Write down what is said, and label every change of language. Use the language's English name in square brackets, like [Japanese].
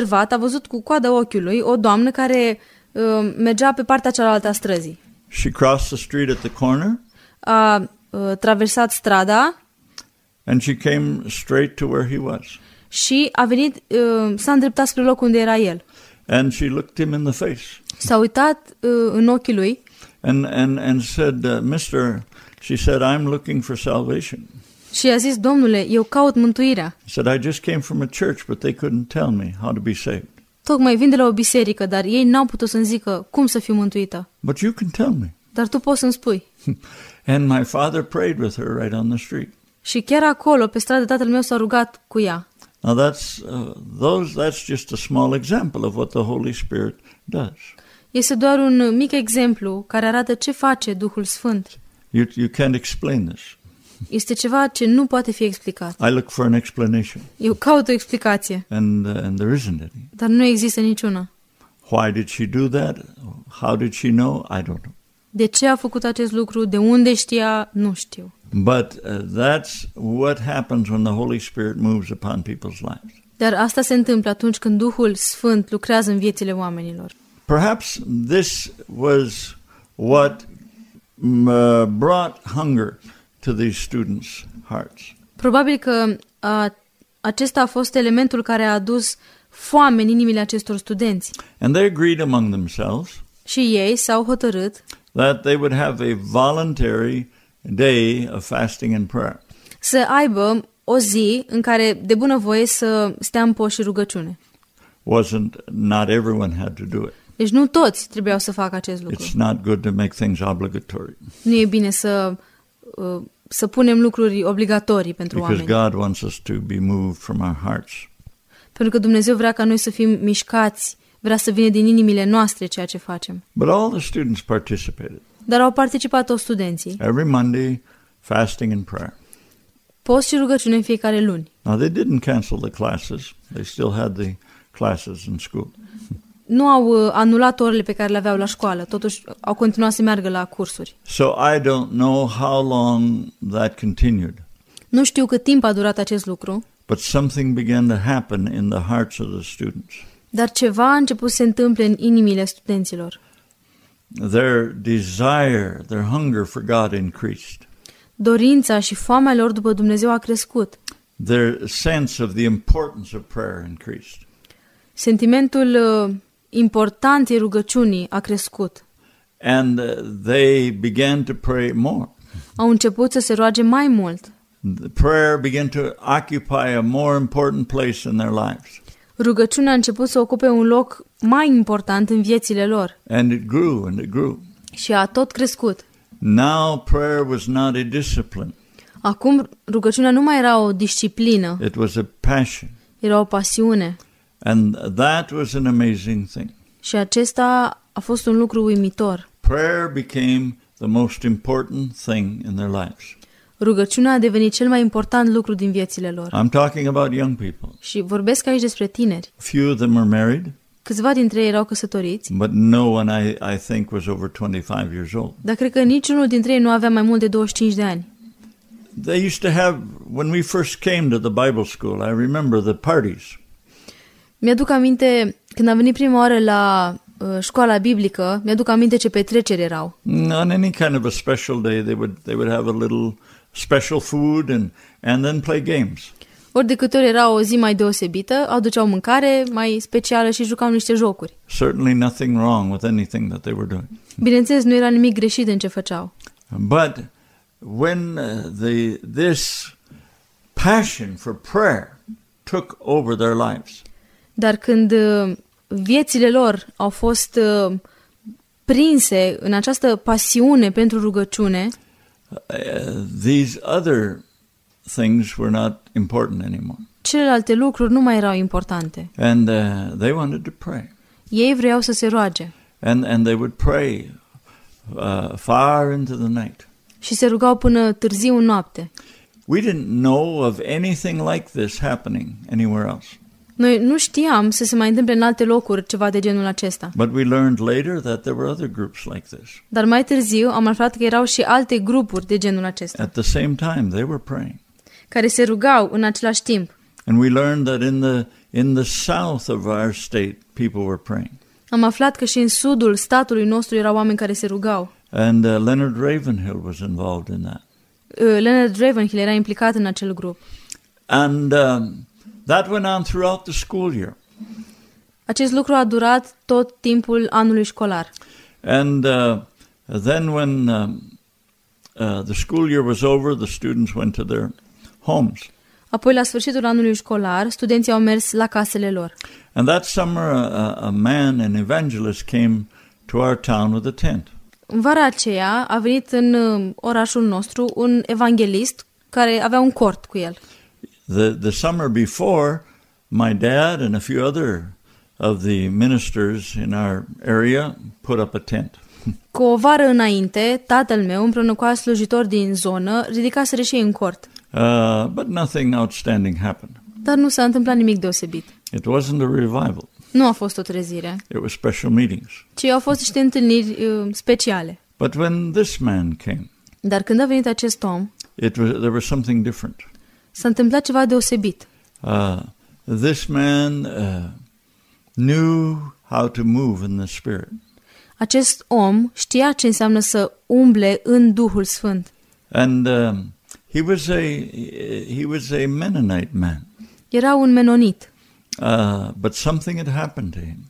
[Romanian] A văzut cu coada ochiului o doamnă care mergea pe partea cealaltă a străzii. [English] She crossed the street at the corner. [Romanian] A traversat strada. [English] And she came straight to where he was. [Romanian] Și a venit, s-a îndreptat spre locul unde era el. [English] And she looked him in the face. [Romanian] S-a uitat în ochii lui. [English] And said, Mister, she said, I'm looking for salvation. [Romanian] Și a zis, Domnule, eu caut mântuirea. [English] He said, I just came from a church, but they couldn't tell me how to be saved. [Romanian] Tocmai vin de la o biserică, dar ei n-au putut să-mi zică cum să fiu mântuită. [English] But you can tell me. [Romanian] Dar tu poți să-mi spui. [English] And my father prayed with her right on the street. [Romanian] Și chiar acolo, pe stradă, tatăl meu s-a rugat cu ea. [English] Now that's just a small example of what the Holy Spirit does. [Romanian] Este doar un mic exemplu care arată ce face Duhul Sfânt. [English] You can't explain this. [Romanian] Este ceva ce nu poate fi explicat. [English] I look for an explanation. [Romanian] Eu caut o explicație. [English] And there isn't any. [Romanian] Dar nu există niciuna. [English] Why did she do that? How did she know? I don't know. [Romanian] De ce a făcut acest lucru? De unde știa? Nu știu. [English] But that's what happens when the Holy Spirit moves upon people's lives. [Romanian] Dar asta se întâmplă atunci când Duhul Sfânt lucrează în viețile oamenilor. [English] Perhaps this was what brought hunger to these students' hearts. [Romanian] Probabil că acesta a fost elementul care a adus foame în inimile acestor studenți. [English] And they agreed among themselves. [Romanian] Și ei s-au hotărât [English] that they would have a voluntary day of fasting and prayer. [Romanian] Să aibă o zi în care de bună voie să stea în post și rugăciune. [English] Wasn't not everyone had to do it. [Romanian] Deci nu toți trebuiau să facă acest lucru. [English] It's not good to make things obligatory. [Romanian] Nu e bine să punem lucruri obligatorii pentru oameni. [English] Because God wants us to be moved from our hearts. [Romanian] Pentru că Dumnezeu vrea ca noi să fim mișcați, vrea să vină din inimile noastre ceea ce facem. [English] But all the students participated. [Romanian] Dar au participat toți studenții. [English] Every Monday, fasting and prayer. [Romanian] Post și rugăciune în fiecare luni. [English] Now they didn't cancel the classes. They still had the classes in school. [Romanian] Nu au anulat orele pe care le aveau la școală. Totuși au continuat să meargă la cursuri. [English] So I don't know how long that continued. [Romanian] Nu știu cât timp a durat acest lucru. [English] But something began to happen in the hearts of the students. [Romanian] Dar ceva a început să se întâmple în inimile studenților. [English] Their desire, their hunger for God increased. [Romanian] Dorința și foamea lor după Dumnezeu a crescut. [English] Their sense of the importance of prayer increased. [Romanian] Sentimentul importanței rugăciunii a crescut. [English] And they began to pray more. [Romanian] Au început să se roage mai mult. [English] The prayer began to occupy a more important place in their lives. [Romanian] Rugăciunea a început să ocupe un loc mai important în viețile lor. [English] And it grew and it grew. [Romanian] Și a tot crescut. [English] Now prayer was not a discipline. [Romanian] Acum rugăciunea nu mai era o disciplină. [English] It was a passion. [Romanian] Era o pasiune. [English] And that was an amazing thing. [Romanian] Și acesta a fost un lucru uimitor. [English] Prayer became the most important thing in their lives. [Romanian] Rugăciunea a devenit cel mai important lucru din viețile lor. [English] I'm talking about young people. [Romanian] Și vorbesc aici despre tineri. [English] Few of them were married. [Romanian] Câțiva dintre ei erau căsătoriți. [English] But no one I think was over 25 years old. [Romanian] Dar cred că niciunul dintre ei nu avea mai mult de 25 de ani. [English] They used to have, when we first came to the Bible school, I remember the parties. [Romanian] Mi-aduc aminte când am venit prima oară la școala biblică, mi-aduc aminte ce petreceri erau. [English] On any kind of a special day they would have a little special food and then play games. [Romanian] Ori de câte ori era o zi mai deosebită, aduceau mâncare mai specială și jucau niște jocuri. [English] Certainly nothing wrong with anything that they were doing. [Romanian] Bineînțeles, nu era nimic greșit în ce făceau. [English] But when this passion for prayer took over their lives. [Romanian] Dar când viețile lor au fost prinse în această pasiune pentru rugăciune, [English] these other things were not important anymore. [Romanian] Celelalte lucruri nu mai erau importante. [English] And they wanted to pray. [Romanian] Ei vreau să se roage. [English] And they would pray far into the night. [Romanian] Și se rugau până târziu în noapte. [English] We didn't know of anything like this happening anywhere else. [Romanian] Noi nu știam să se mai întâmple în alte locuri ceva de genul acesta. [English] But we learned later that there were other groups like this. [Romanian] Dar mai târziu am aflat că erau și alte grupuri de genul acesta. [English] At the same time they were praying. [Romanian] Care se rugau în același timp. [English] And we learned that in the south of our state people were praying. [Romanian] Am aflat că și în sudul statului nostru erau oameni care se rugau. [English] And Leonard Ravenhill was involved in that. [Romanian] Leonard Ravenhill era implicat în acel grup. [English] And that went on throughout the school year. [Romanian] Acest lucru a durat tot timpul anului școlar. [English] And then when the school year was over, the students went to their homes. [Romanian] Apoi la sfârșitul anului școlar, studenții au mers la casele lor. [English] And that summer a man, an evangelist came to our town with a tent. [Romanian] În vara aceea a venit în orașul nostru un evanghelist care avea un cort cu el. [English] The summer before, my dad and a few other of the ministers in our area put up a tent. [Romanian] Cu o vară înainte, tatăl meu împreună cu alți slujitori din zonă ridicase și în cort. [English] But nothing outstanding happened. [Romanian] Dar nu s-a întâmplat nimic deosebit. [English] It wasn't a revival. [Romanian] Nu a fost o trezire. [English] It was special meetings. [Romanian] Ci au fost niște întâlniri speciale. [English] But when this man came, [Romanian] dar când a venit acest om, [English] there was something different. [Romanian] S-a întâmplat ceva deosebit. [English] This man knew how to move in the Spirit. [Romanian] Acest om știa ce înseamnă să umble în Duhul Sfânt. [English] And he was a Mennonite man. [Romanian] Era un menonit. [English] But something had happened to him.